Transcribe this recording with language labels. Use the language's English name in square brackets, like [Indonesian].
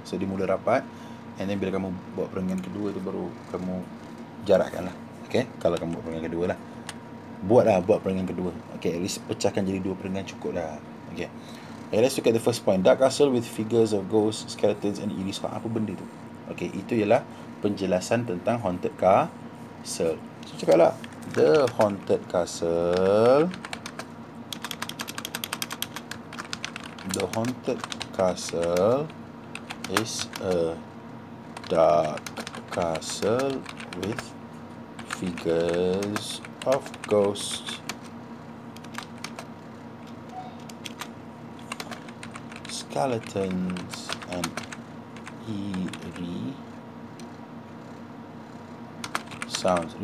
[Malay] So dia mula rapat, [English] and then [Malay] bila kamu buat perenggan kedua tu, baru kamu jarakkan lah. Okay, kalau kamu buat perenggan kedua lah, buat perenggan kedua. Okay, at least pecahkan jadi dua perenggan, cukup lah. Okay, [English] let's look at the first point. Dark castle with figures of ghosts, skeletons and eerie sounds. [Malay] Apa benda tu? Okay, itu ialah penjelasan tentang haunted castle. So cakap lah, [English] "The haunted castle, the haunted castle is a dark castle with figures of ghosts, skeletons and eerie sounds."